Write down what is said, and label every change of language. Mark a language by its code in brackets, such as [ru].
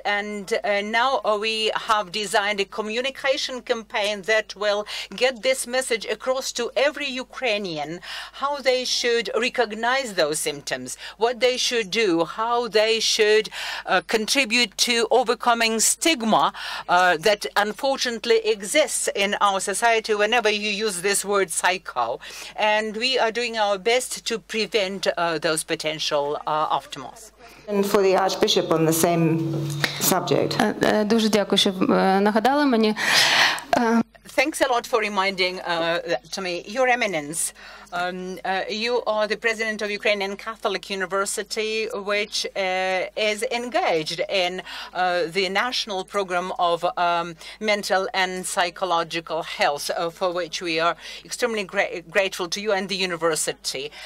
[en] And now we have designed a communication campaign that will get this message across to every Ukrainian, how they should recognize those symptoms, what they should do, how they should contribute to overcoming stigma that unfortunately exists in our society whenever you use this word psycho. And we are doing our best to prevent those potential aftermaths. And for the Archbishop on the same subject. [uk] Дуже дякую, що нагадали мені. [en] Thanks a lot for reminding to me, Your Eminence. You are the president of Ukrainian Catholic University, which is engaged in the national program of mental and psychological health, for which we are extremely grateful to you and the university.